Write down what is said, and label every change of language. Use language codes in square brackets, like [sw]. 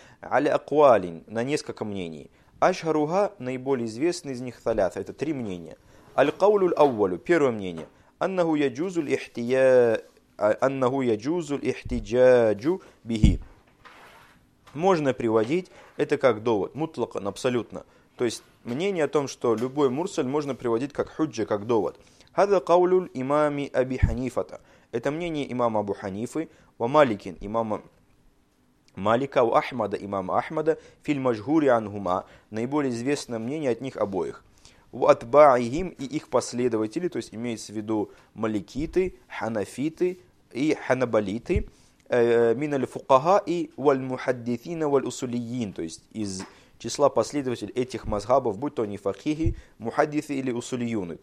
[ar] Аля акуалин, [ru] на несколько мнений. Ашгаруга, наиболее известный из них халят, это три мнения. [ar] Аль-каулюль аввалю, [ru] первое мнение. [ar] Аннаху яджузуль ихтия, أنه يجوز الاحتجاج به. [ru] Можно приводить это как довод, мутлакан, абсолютно. То есть мнение о том, что любой мурсаль можно приводить как худжа, как довод. [ar] هذا قول الإمام أبي حنيفة. [ru] Это мнение имама Абу Ханифы, ва Маликин, имама Малика, ва Ахмада, имама Ахмада, [ar] филь мажгури анхума, [ru] наиболее известное мнение от них обоих. Ва атбаихим и их последователи, то есть имеется в виду маликиты, ханафиты и ханабалиты, [ar] мин аль-фукаха и валь мухаддитина валь усулиин, [ru] то есть из числа последователей этих мазхабов, будь то они факихи, мухаддисы или усулиюны.